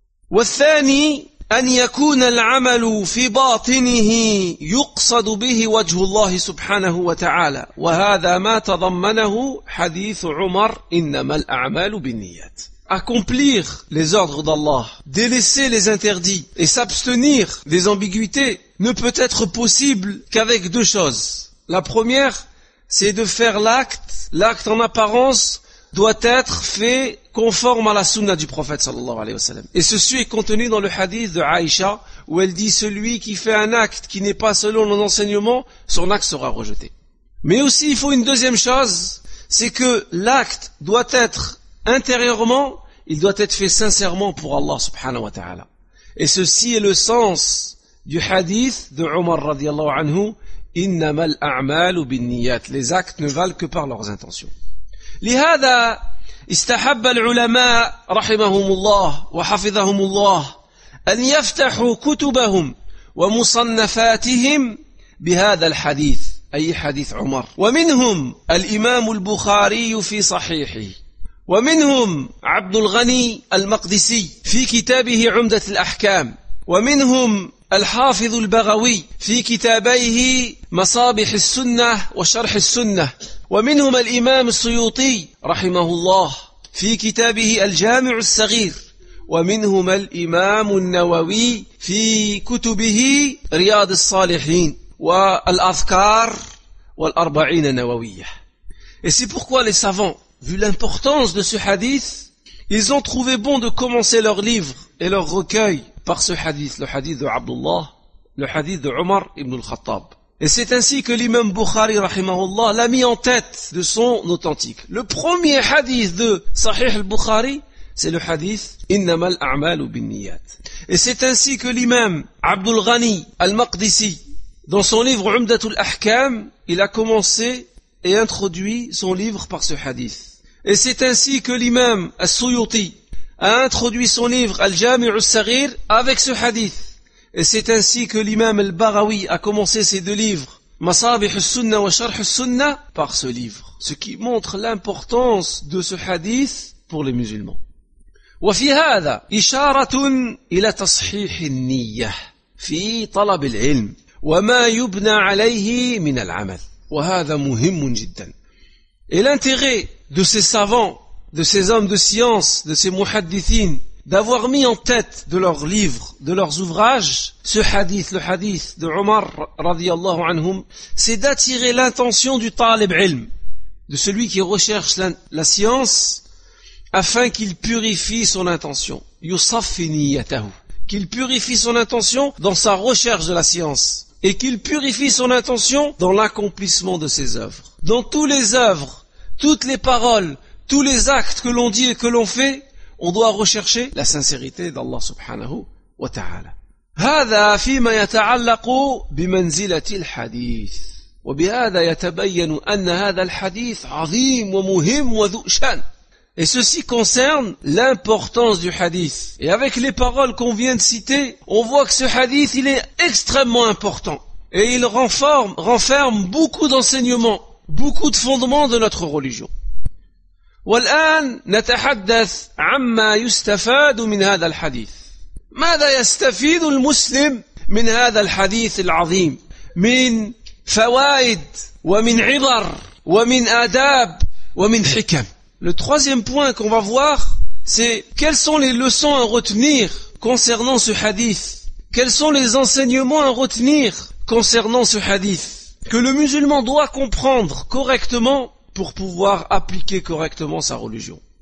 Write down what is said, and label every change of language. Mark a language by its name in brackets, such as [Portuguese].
[Arabic] والثاني أن يكون العمل في باطنه يقصد به وجه الله سبحانه وتعالى وهذا ما تضمنه حديث عمر إنما الأعمال بالنيات [French] Accomplir les ordres d'Allah, délaisser les interdits et s'abstenir des ambiguïtés ne peut être possible qu'avec deux choses. La première, c'est de faire l'acte en apparence doit être fait conforme à la sunna du prophète sallallahu alayhi wa sallam. Et ceci est contenu dans le hadith de Aïcha, où elle dit « Celui qui fait un acte qui n'est pas selon nos enseignements, son acte sera rejeté. » Mais aussi, il faut une deuxième chose, c'est que l'acte doit être intérieurement, il doit être fait sincèrement pour Allah subhanahu wa ta'ala. Et ceci est le sens du hadith de Omar radiallahu anhu, « [Arabic] Innama al-a'malu bin-niyat [French] » Les actes ne valent que par leurs intentions. [Arabic] لهذا استحب العلماء رحمهم الله وحفظهم الله أن يفتحوا كتبهم ومصنفاتهم بهذا الحديث أي حديث عمر ومنهم الإمام البخاري في صحيحه ومنهم عبد الغني المقدسي في كتابه عمدة الأحكام ومنهم الحافظ البغوي في كتابيه مصابح السنة وشرح السنة ومنهم الإمام السيوطي رحمه الله في كتابه الجامع الصغير ومنهم الإمام النووي في كتبه رياض الصالحين والأذكار والأربعين النووية [French] Et c'est pourquoi les savants, vu l'importance de ce hadith, ils ont trouvé bon de commencer leur livre et leur recueil par ce hadith, le hadith de Abdullah, le hadith de Omar ibn al-Khattab. Et c'est ainsi que l'imam Bukhari, rahimahullah, l'a mis en tête de son authentique. Le premier hadith de Sahih al-Bukhari, c'est le hadith « [Arabic] Innama al-a'malu bin-niyat ». [French] Et c'est ainsi que l'imam Abdul Ghani al-Maqdisi, dans son livre « Umdatul Ahkam », il a commencé et introduit son livre par ce hadith. Et c'est ainsi que l'imam al-Suyuti a introduit son livre « Al-Jami' al-Saghir » avec ce hadith. Et c'est ainsi que l'imam al-Baghawi a commencé ses deux livres, Masabih al-Sunna wa Sharh al-Sunna, par ce livre. Ce qui montre l'importance de ce hadith pour les musulmans. [Arabic] وفي هذا إشارة إلى تصحيح النية في طلب العلم وما يبنى عليه من العمل. وهذا مهم جدا. [French] Et l'intérêt de ces savants, de ces hommes de science, de ces muhaddithines, d'avoir mis en tête de leurs livres, de leurs ouvrages, ce hadith, le hadith de Omar radiallahu anhum, c'est d'attirer l'intention du talib ilm, de celui qui recherche la science, afin qu'il purifie son intention. [Arabic] Yusaffi niyatahu. [French] Qu'il purifie son intention dans sa recherche de la science. Et qu'il purifie son intention dans l'accomplissement de ses œuvres. Dans tous les œuvres, toutes les paroles, tous les actes que l'on dit et que l'on fait, on doit rechercher la sincérité d'Allah subhanahu wa ta'ala. [Arabic] هذا فيما يتعلق بمنزلة الحديث وبهذا يتبين أن هذا الحديث عظيم ومهم وذو شأن. [French] Et ceci concerne l'importance du hadith. Et avec les paroles qu'on vient de citer, on voit que ce hadith, il est extrêmement important. Et il renferme beaucoup d'enseignements, beaucoup de fondements de notre religion. [Arabic] والآن نتحدث عما يستفاد من هذا الحديث ماذا يستفيد المسلم من هذا الحديث العظيم من فوائد ومن عبر ومن آداب ومن حكم [French] Le troisième point qu'on va voir, c'est quelles sont les leçons à retenir concernant ce hadith? Quels sont les enseignements à retenir concernant ce hadith? Que le musulman doit comprendre correctement pour pouvoir appliquer correctement sa religion.